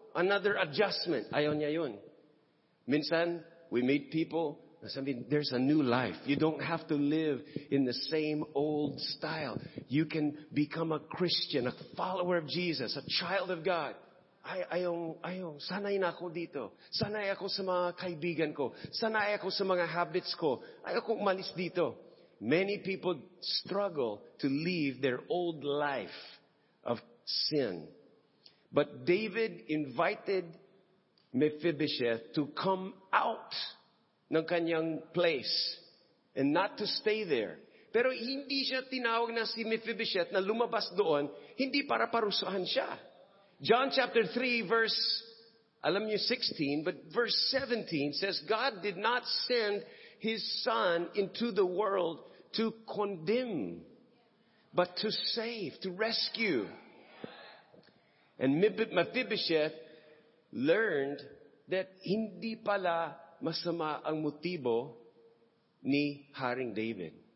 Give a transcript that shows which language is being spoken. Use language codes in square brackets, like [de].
[en] Another adjustment. [tl] Ayaw niya yun. Minsan, [en] we meet people. Sabi, there's a new life. You don't have to live in the same old style. You can become a Christian, a follower of Jesus, a child of God. [tl] Ayong, sanay na ako dito. Sanay ako sa mga kaibigan ko. Sanay ako sa mga habits ko. Ayaw kong umalis dito. [en] Many people struggle to leave their old life of sin. But David invited Mephibosheth to come out [tl] ng kanyang [en] place and not to stay there. [tl] Pero hindi siya tinawag na si Mephibosheth na lumabas doon, hindi para parusahan siya. [en] John chapter 3 verse, [tl] alam niyo [en] 16, but verse 17 says, God did not send His Son into the world to condemn, but to save, to rescue. And Mephibosheth learned that [tl] hindi pala masama ang motibo ni Haring David.